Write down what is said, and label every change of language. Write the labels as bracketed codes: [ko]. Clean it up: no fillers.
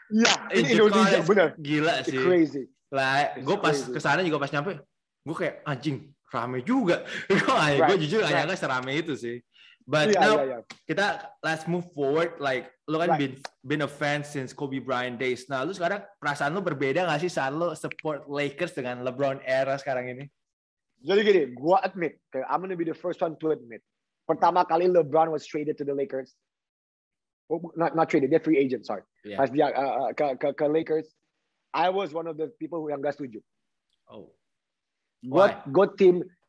[en] Yeah, in Indonesia, [id] bener. Gila [en] it's [id] sih. [en] Crazy. [id] Like, gua pas crazy. Kesana juga pas nyampe, gua kayak, anjing, rame juga. Gua jujur gak nyangka serame itu sih. [en] But yeah, now, [id] kita [en] let's move forward. Like, [id] lu kan [en] been a fan since Kobe Bryant days. [id] Nah, lu sekarang perasaan lu berbeda gak sih saat lu support Lakers dengan LeBron era sekarang ini? Jadi gini, gua admit. [en] I'm gonna be the first one to admit. [id] Pertama kali [en] LeBron was traded to the Lakers. Oh, not traded, they're free agent, sorry. Yeah. [id] Pas dia ke Lakers. [en] I was one of the people who [id] yang gak setuju. [en] Oh. Why? Good team.